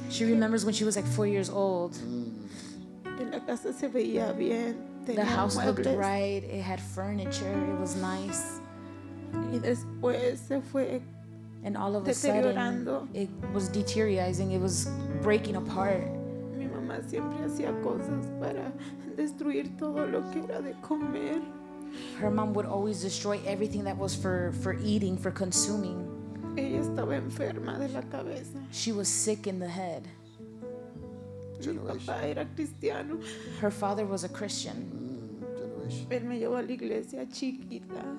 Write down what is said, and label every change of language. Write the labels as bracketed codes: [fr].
[en] She remembers when she was like 4 years old. [es] La casa se veía bien. [en] The house looked right. It had furniture. It was nice. [es] Y después se fue. [en] And all of a sudden, it was deteriorating. It was breaking apart. [es] Mi mamá siempre hacía cosas para destruir todo lo que era de comer. [en] Her mom would always destroy everything that was for eating, for consuming. [es] Ella estaba enferma de la cabeza. [en] She was sick in the head. Generation. [es] Mi papá era cristiano. [en] Her father was a Christian. Generation. [es] Él me llevó a la iglesia chiquita.